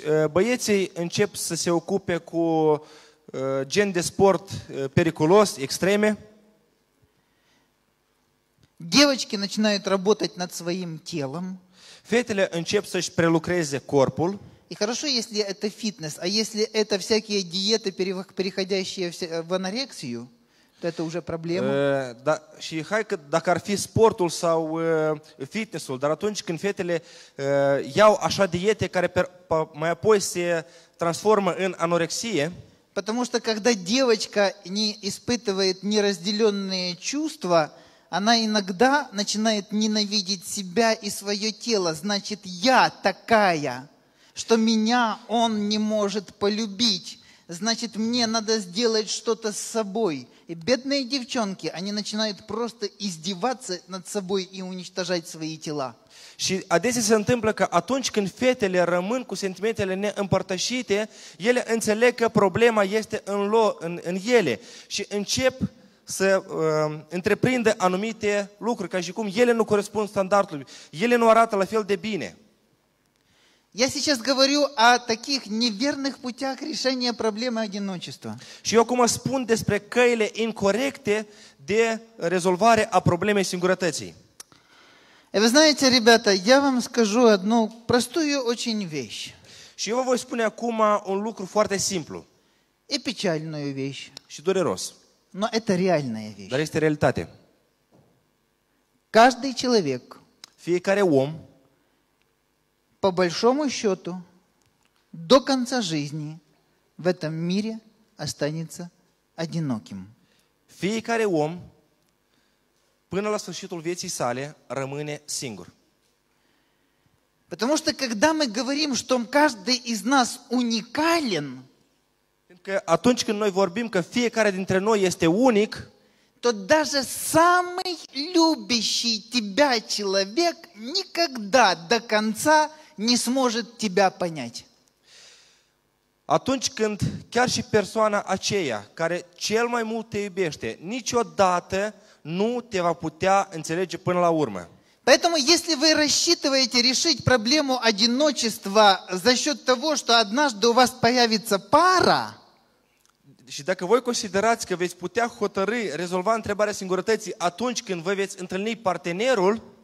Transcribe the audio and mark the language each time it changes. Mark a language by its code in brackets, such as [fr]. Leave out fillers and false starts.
[ro] Băieții încep să se ocupe cu gen de sport periculos, extreme. [ru] Девочки начинают работать над своим телом. [ro] Fetele încep să-și prelucreze corpul. [ru] И хорошо, если это фитнес, а если это всякие диеты, переходящие в анорексию, то это уже проблема. [ro] Да, și hai că dacă ar fi sportul sau fitnessul, dar atunci când fetele iau așa diete care mai apoi se transformă în anorexie. [ru] Потому что когда девочка не испытывает неразделенные чувства, она иногда начинает ненавидеть себя и свое тело. Значит, я такая, что меня он не может полюбить. значит, мне надо сделать что-то с собой. И бедные девчонки, они начинают просто издеваться над собой и уничтожать свои тела. [ro] Și adesea se întâmplă că atunci când fetele rămân cu sentimentele neîmpărtășite, ele înțeleg că problema este în ele și încep să întreprindă anumite lucruri, ca și cum ele nu corespund standardului, ele nu arată la fel de bine. [ru] Я сейчас говорю о таких неверных путях решения проблемы одиночества. [ro] Și eu acum spun despre căile incorrecte de rezolvare a problemei singurătății. [ru] И вы знаете, ребята, я вам скажу одну простую очень вещь. [ro] Și eu vă voi spune acum un lucru foarte simplu. [ru] И печальную вещь. [ro] Și dureros. [ru] Но это реальная вещь. [ro] Dar este realitate. [ru] Каждый человек. [ro] Fiecare om. [ru] По большому счету, до конца жизни в этом мире останется одиноким. [ro] Fiecare om, până la sfârșitul vieții sale, rămâne singur. [ru] Потому что, когда мы говорим, что каждый из нас уникален, [ro] că atunci când noi vorbim că fiecare dintre noi este unic, [ru] то даже самый любящий тебя человек никогда до конца не сможет тебя понять. [ro] Atunci când chiar și persoana aceea care cel mai mult te iubește, niciodată nu te va putea înțelege până la urmă. [ru] Поэтому, если вы рассчитываете решить проблему одиночества за счет того, что однажды у вас появится пара, [ro] și dacă voi considerați că veți putea hotărî, rezolva întrebarea singurătății atunci când vă veți întâlni partenerul,